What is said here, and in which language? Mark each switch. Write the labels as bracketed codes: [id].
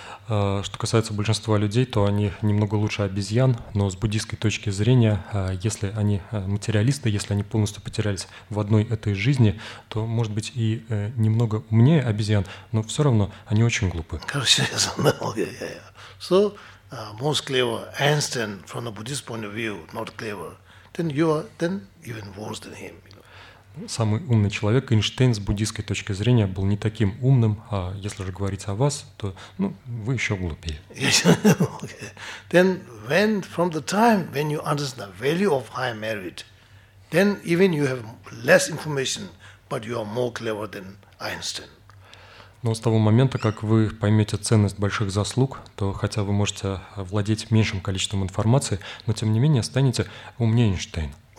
[ru] Что касается большинства людей, то они немного лучше обезьян, но с буддийской точки зрения, если они материалисты, если они полностью потерялись в одной этой жизни, то, может быть, и немного умнее обезьян, но все равно они очень глупы. Короче, я знал, [en] So, most clever, Einstein, from the Buddhist point of view, not clever, then you are then even worse than him. [ru] Самый умный человек, Эйнштейн, с буддийской точки зрения, был не таким умным, а если же говорить о вас, то, ну, вы еще глупее. [en] Okay. Then when, from the time when you understand the value of high merit, then even you have less information, but you are more clever than Einstein. [ru] Но с того момента, как вы поймете ценность больших заслуг, то хотя вы можете владеть меньшим количеством информации, но тем не менее станете умнее Эйнштейн.